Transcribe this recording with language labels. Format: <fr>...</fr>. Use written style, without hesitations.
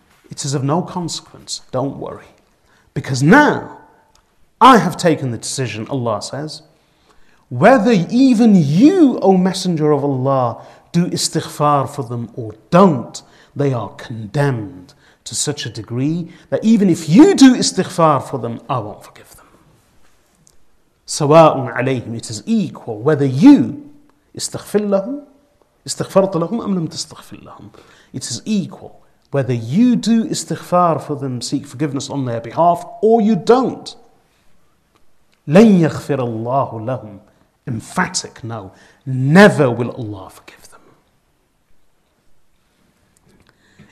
<en>It is of no consequence. Don't worry. Because now, I have taken the decision, Allah says, whether even you, O Messenger of Allah, do istighfar for them or don't, they are condemned to such a degree that even if you do istighfar for them, I won't forgive them.</en> <ar>سَوَاءٌ عَلَيْهِمْ.</ar> <en>It is equal whether you</en> <ar>استغفر لهم, استغفرت لهم أم لم تستغفر لهم.</ar> <en>It is equal whether you do istighfar for them, seek forgiveness on their behalf, or you don't.</en> <ar>لَنْ يَغْفِرَ اللَّهُ لَهُمْ.</ar> <en>Emphatic, no. Never will Allah forgive them.</en>